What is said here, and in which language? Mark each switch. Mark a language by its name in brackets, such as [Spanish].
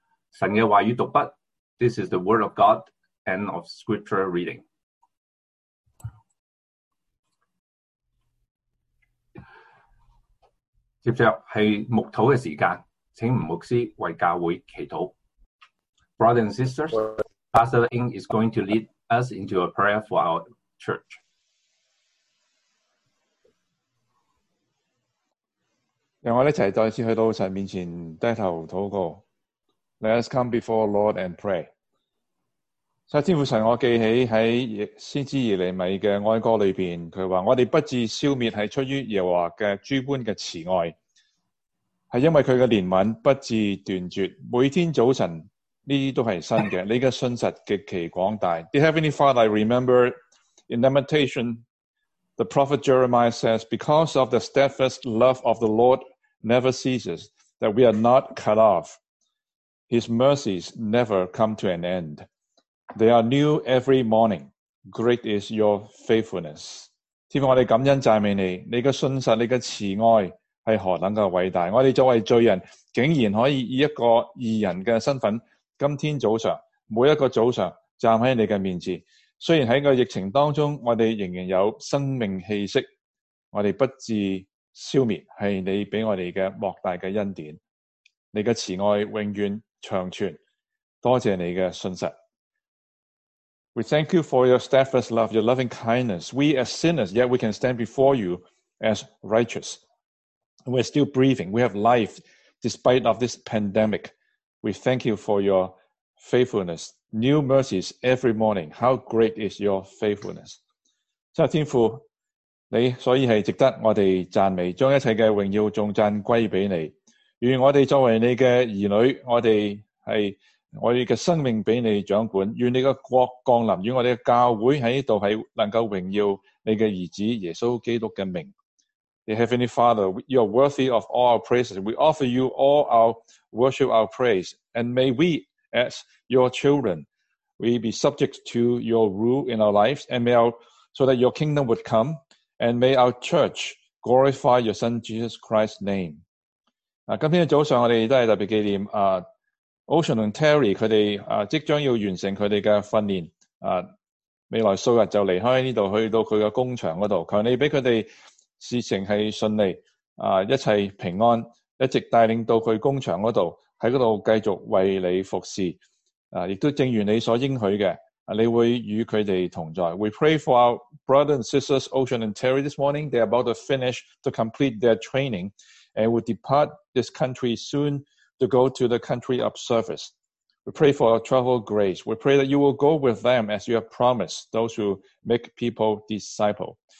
[Chinese] 神的话语读毕。 [English] This is the word of God. End of scripture reading. [Chinese] 接着是牧祷的时间，请牧师为教会祈祷。 [English] Brothers and sisters, Pastor Ng is going to lead us into a prayer for our church. [Chinese] 让我们一起再次去到神面前低头祷告。 [English] Let us come before the Lord and pray. [Chinese] 在天父神，我记起在先知耶利米的哀歌里面，他说我们不至消灭是出于耶和华的诸般的慈爱，是因为他的怜悯不至断绝。每天早晨这些都是新的，你的信实极其广大。 [English] Dear Heavenly Father, I remember in Lamentation,The prophet Jeremiah says, because of the steadfast love of the Lord never ceases, that we are not cut off. His mercies never come to an end. They are new every morning. Great is your faithfulness. [Chinese] 天父，我们感恩赞美你，你的信实，你的慈爱是何等的伟大。我们作为罪人，竟然可以以一个义人的身份，今天早上，每一个早上站在你的面前。虽然在个疫情当中，我们仍然有生命气息，我们不至消灭，是你给我们的莫大的恩典。你的慈爱永远长存，多谢你的信实。 [English] We thank you for your steadfast love, your loving kindness. We as sinners, yet we can stand before you as righteous. We're still breathing. We have life despite of this pandemic. We thank you for your faithfulness. New mercies every morning. How great is your faithfulness? [Chinese] 真天父，你所以是值得我们赞美，将一切的荣耀颂赞归给你。愿我们作为你的儿女，我们是我们的生命给你掌管。愿你的国降临，愿我们的教会在这里能够荣耀你的儿子耶稣基督的名。 [English] Dear Heavenly Father, you are worthy of all our praises. We offer you all our worship, our praise, and may weAs your children, we be subject to your rule in our lives, and may our, so that your kingdom would come, and may our church glorify your son Jesus Christ's name. [Chinese] 今天早上我们都是特别纪念Ocean and Terry, 他们即将要完成他们的训练，未来数日就离开这里去到他的工厂那里，求你给他们事情是顺利，一切平安，一直带领到他工厂那里，在那里继续为你服侍，亦都正如你所应许的，你会与他们同在。 [English] We pray for our brother and sisters Ocean and Terry this morning. They are about to finish to complete their training and will depart this country soon to go to the country of service. We pray for our travel grace. We pray that you will go with them as you have promised, those who make people disciple.